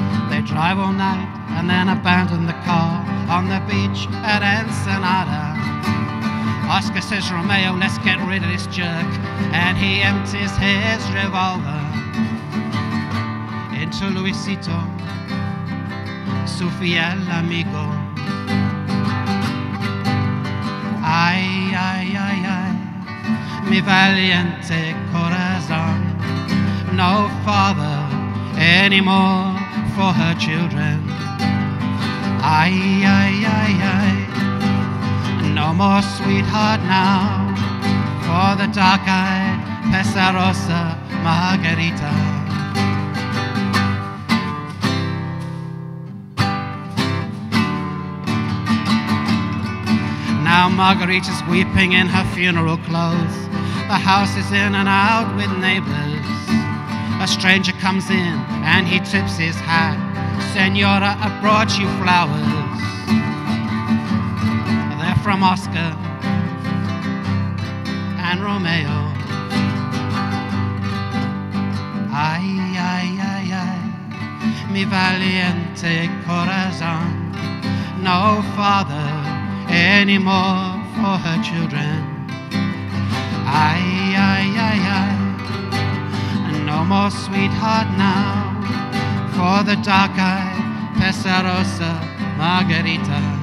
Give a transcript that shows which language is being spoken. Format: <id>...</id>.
<en>They drive all night and then abandon the car on the beach at Ensenada. Oscar says, Romeo, let's get rid of this jerk. And he empties his revolver into Luisito,</en> <es>su fiel amigo. Ay, ay, ay, ay, mi valiente corazón.</es> <en>No father anymore for her children. Ay, ay, ay, ay, no more sweetheart now for the dark-eyed Pesarosa Margarita. Now Margarita's weeping in her funeral clothes. The house is in and out with neighbors. A stranger comes in and he tips his hat. Senora, I brought you flowers. They're from Oscar and Romeo.</en> <es>Ay, ay, ay, ay, mi valiente corazón.</es> <en>No father anymore for her children. Ay, ay, ay, ay, no more sweetheart now for the dark-eyed Pesarosa Margarita.</en>